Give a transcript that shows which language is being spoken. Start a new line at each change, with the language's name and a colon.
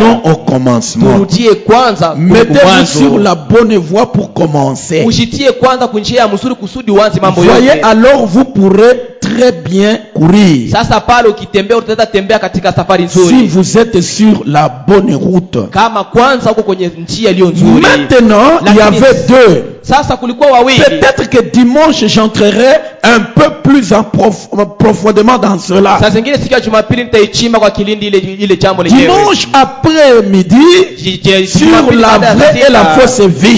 French: Retournons au commencement,
Swahili: turudie kwanza,
French: mettez-vous sur la bonne voie pour commencer,
Swahili: ujitie kwanza kunjia ya mzuri kusudi uanze mambo yote.
French: Voyez, alors vous pourrez très bien courir.
Swahili: Sasa pale ukitembea utaweza tembea katika safari nzuri.
French: Si vous êtes sur la bonne route.
Swahili: Kama kwanza uko kwenye njia iliyo nzuri.
French: Maintenant, il y avait deux.
Swahili: Sasa kulikuwa wawili.
French: Peut-être que dimanche j'entrerai un peu plus en profondément dans cela.
Swahili: Sasa zingine siku ya Jumapili nitaichimba kwa kilindi ile ile jambo lenyewe.
French: Dimanche après-midi, sur la vraie et la fausse vie.